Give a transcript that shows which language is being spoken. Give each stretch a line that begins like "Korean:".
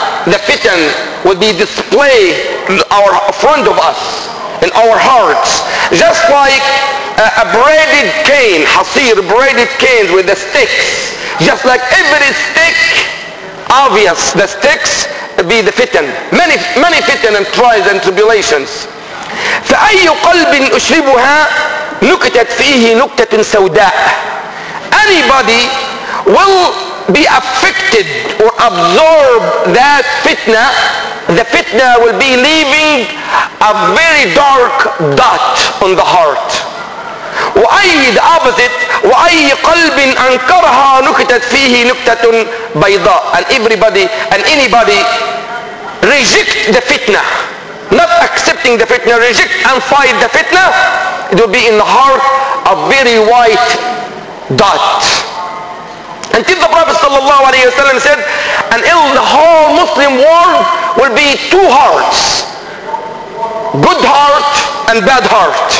English: The fitan will be displayed in front of us, in our hearts, just like a braided cane, حصير, braided cane with the sticks, just like every stick, obvious, the sticks be the fitan, many many fitan and trials and tribulations.
Arabic: فأي قلب أشربها نكتت فيه نكتة سوداء.
English: Anybody will be affected or absorb that fitna, the fitna will be leaving a very dark dot on the heart.
Arabic: وأي
English: the opposite,
Arabic: وأي قلب أنكرها نكتت فيه نكتة بيضاء.
English: And everybody and anybody reject the fitna, not accepting the fitna, reject and fight the fitna, it will be in the heart a very white dot. Until the Prophet sallallahu alayhi wa sallam said, and in the whole Muslim world will be two hearts, good heart and bad heart.